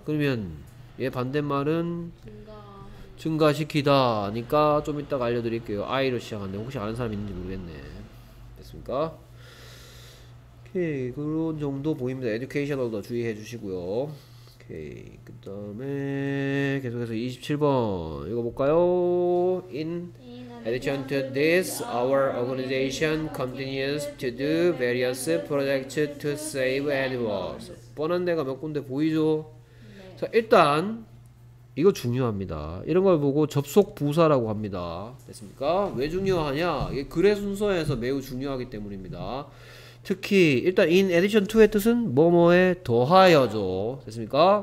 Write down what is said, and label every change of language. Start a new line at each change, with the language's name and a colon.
Korean: 그러면 얘 반대말은 증가시키다니까 좀 이따가 알려드릴게요. I로 시작하는데 혹시 아는 사람 있는지 모르겠네. 됐습니까? 오케이. 그런 정도 보입니다. educational도 주의해 주시고요. 오케이. 그 다음에 계속해서 27번 읽어볼까요?
English: In addition to this, our organization continues to do various projects to save animals.
Korean: 뻔한 데가 몇 군데 보이죠? 자 일단 이거 중요합니다. 이런 걸 보고 접속 부사라고 합니다. 됐습니까? 왜 중요하냐? 이게 글의 순서에서 매우 중요하기 때문입니다. 특히 일단 in addition to의 뜻은 뭐뭐에 더하여죠. 됐습니까?